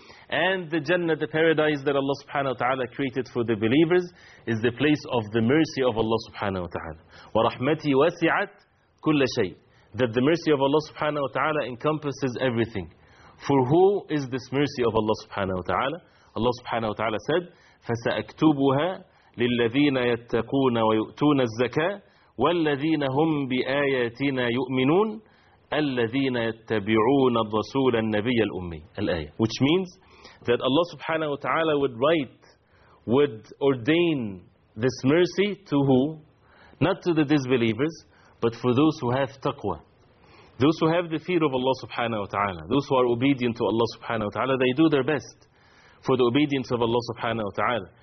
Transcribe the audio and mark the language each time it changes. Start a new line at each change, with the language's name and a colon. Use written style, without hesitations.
English: And the Jannah, the paradise that Allah subhanahu wa ta'ala created for the believers, is the place of the mercy of Allah subhanahu wa ta'ala.
Arabic: وَرَحْمَتِي وَسِعَتْ كُلَّ شَيْءٍ.
English: That the mercy of Allah subhanahu wa ta'ala encompasses everything. For who is this mercy of Allah subhanahu wa ta'ala? Allah subhanahu wa ta'ala said,
Arabic: فَسَأَكْتُوبُهَا لِلَّذِينَ يَتَّقُونَ وَيُؤْتُونَ الزَّكَاةِ وَالَّذِينَ هُمْ بِآيَاتِنَا يُؤْمِنُونَ الَّذِينَ يَتَّبِعُونَ الرَّسُولَ النَّبِيَّ الْأُمِّيَّ الْآيَةِ.
English: Which means that Allah subhanahu wa ta'ala would ordain this mercy to who? Not to the disbelievers, but for those who have taqwa. Those who have the fear of Allah subhanahu wa ta'ala. Those who are obedient to Allah subhanahu wa ta'ala, they do their best for the obedience of Allah subhanahu wa ta'ala.